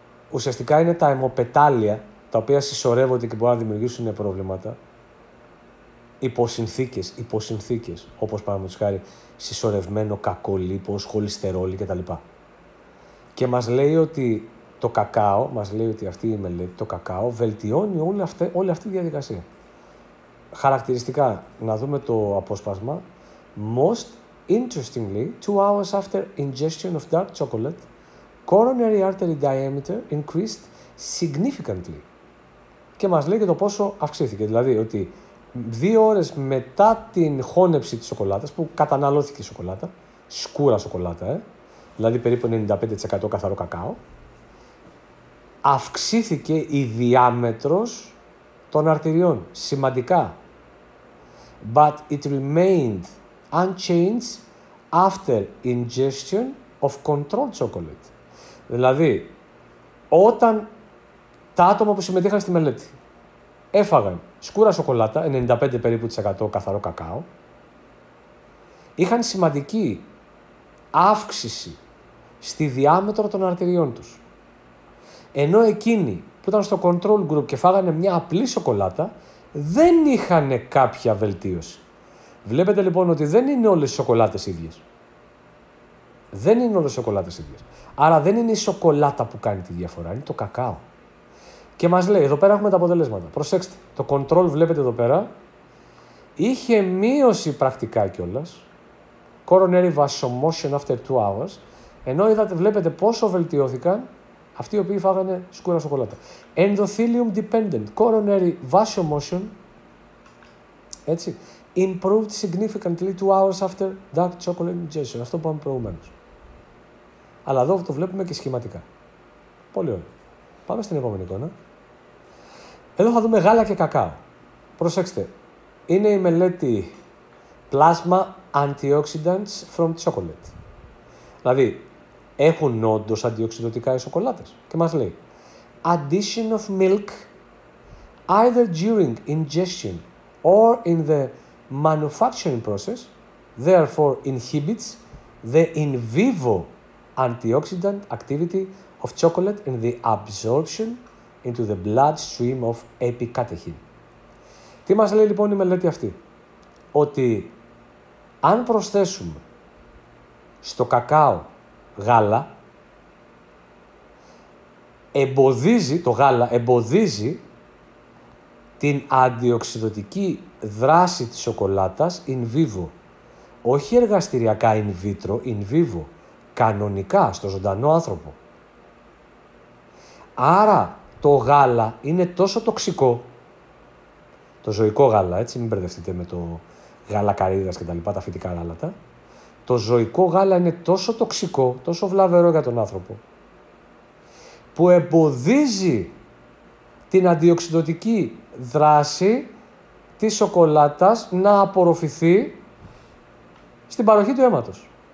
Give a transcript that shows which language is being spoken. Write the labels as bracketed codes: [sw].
[el] Ουσιαστικά είναι τα αιμοπετάλια, τα οποία συσσωρεύονται και μπορούν να δημιουργήσουν προβλήματα, υποσυνθήκες, όπως παραδείγματος χάρη συσσωρευμένο κακό λίπος, χοληστερόλη κτλ. Και μας λέει ότι το κακάο, μας λέει ότι αυτή η μελέτη, το κακάο, βελτιώνει όλη αυτή τη διαδικασία. Χαρακτηριστικά, να δούμε το απόσπασμα. [en] Most interestingly, 2 hours after ingestion of dark chocolate, coronary artery diameter increased significantly. [el] Και μας λέει και το πόσο αυξήθηκε. Δηλαδή, ότι 2 ώρες μετά την χώνεψη της σοκολάτας, που καταναλώθηκε η σοκολάτα, σκούρα σοκολάτα, δηλαδή περίπου 95% καθαρό κακάο, αυξήθηκε η διάμετρος των αρτηριών, σημαντικά. [en] But it remained unchanged after ingestion of controlled chocolate. [el] Δηλαδή, όταν τα άτομα που συμμετείχαν στη μελέτη έφαγαν σκούρα σοκολάτα, 95% καθαρό κακάο, είχαν σημαντική αύξηση στη διάμετρο των αρτηριών τους. Ενώ εκείνοι που ήταν στο control group και φάγανε μια απλή σοκολάτα, δεν είχαν κάποια βελτίωση. Βλέπετε λοιπόν ότι δεν είναι όλες οι σοκολάτες ίδιες. Δεν είναι όλες οι σοκολάτες ίδιες. Άρα δεν είναι η σοκολάτα που κάνει τη διαφορά, είναι το κακάο. Και μας λέει, εδώ πέρα έχουμε τα αποτελέσματα. Προσέξτε, το control βλέπετε εδώ πέρα. Είχε μείωση πρακτικά κιόλας. [en] Coronary vasomotion after 2 hours. [el] Ενώ είδατε, βλέπετε πόσο βελτιώθηκαν αυτοί οι οποίοι φάγανε σκούρα σοκολάτα. [en] Endothelium dependent coronary vasomotion, [el] έτσι, [en] improved significantly 2 hours after dark chocolate ingestion. [el] Αυτό που είπαμε προηγουμένως. Αλλά εδώ το βλέπουμε και σχηματικά. Πολύ ωραία. Πάμε στην επόμενη εικόνα. Εδώ θα δούμε γάλα και κακάο. Προσέξτε. Είναι η μελέτη [en] plasma antioxidants from chocolate. [el] Δηλαδή, έχουν όντως αντιοξειδωτικά οι σοκολάτες. Και μας λέει, [en] addition of milk, either during ingestion or in the manufacturing process, therefore inhibits the in vivo antioxidant activity of chocolate and the absorption into the bloodstream of epicatechin. [el] Τι μας λέει λοιπόν η μελέτη αυτή? Ότι αν προσθέσουμε στο κακάο γάλα, εμποδίζει, το γάλα εμποδίζει την αντιοξειδωτική δράση της σοκολάτας in vivo. Όχι εργαστηριακά in vitro, in vivo. Κανονικά, στο ζωντανό άνθρωπο. Άρα το γάλα είναι τόσο τοξικό, το ζωικό γάλα, έτσι, μην μπερδευτείτε με το γάλα καρύδας και τα λοιπά, τα φυτικά γάλατα. Το ζωικό γάλα είναι τόσο τοξικό, τόσο βλαβερό για τον άνθρωπο, που εμποδίζει την αντιοξειδωτική δράση της σοκολάτας να απορροφηθεί στην παροχή του αίματος.